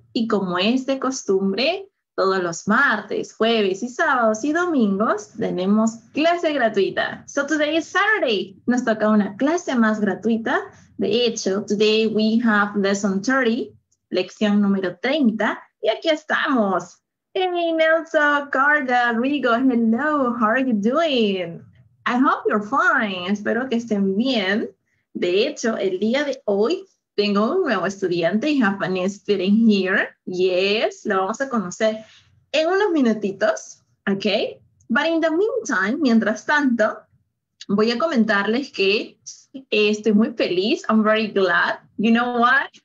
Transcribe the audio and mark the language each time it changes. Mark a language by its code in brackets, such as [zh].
[es] Y como es de costumbre, todos los martes, jueves y sábados y domingos tenemos clase gratuita. [en] So today is Saturday. [es] Nos toca una clase más gratuita. De hecho, [en] today we have lesson 30, [es] lección número 30. Y aquí estamos. [en] Hey, Nelson, Carla, Rigo, hello, how are you doing? I hope you're fine. [es] Espero que estén bien. De hecho, el día de hoy tengo un nuevo estudiante, [en] Japanese sitting here. Yes, [es] lo vamos a conocer en unos minutitos, ¿ok? [en] But in the meantime, [es] mientras tanto, voy a comentarles que estoy muy feliz. [en] I'm very glad. You know why?